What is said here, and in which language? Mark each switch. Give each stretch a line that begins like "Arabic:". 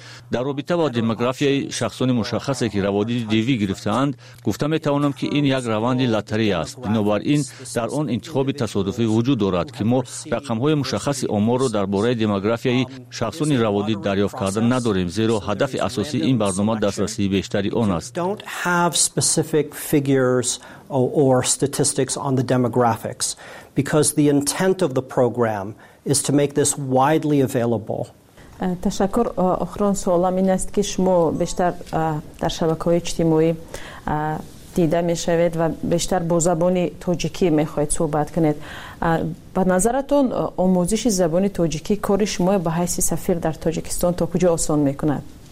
Persian: در رابطه با دموگرافی شخصان مشخصی که روادید دیوی گرفتند گفته می توانم که این یک روند لاتری است بنابراین در آن انتخاب تصادفی وجود دارد که ما رقم های مشخصی آمار را درباره دموگرافی شخصان روادید دریافت کرده نداریم زیرا هدف اساسی این برنامه دسترسی بیشتری آن است
English: don't have specific figures or statistics on the demographics because the intent of the program is to make this widely available
Persian: تشکر اخران سوالم این است که شما بیشتر در شبکه‌های اجتماعی دیده می شوید و بیشتر با زبان تاجیکی می خواهید صحبت کنید به نظرتون آموزش زبان تاجیکی کار شما به حیث سفیر در تاجیکستان تا کجا آسان می کند؟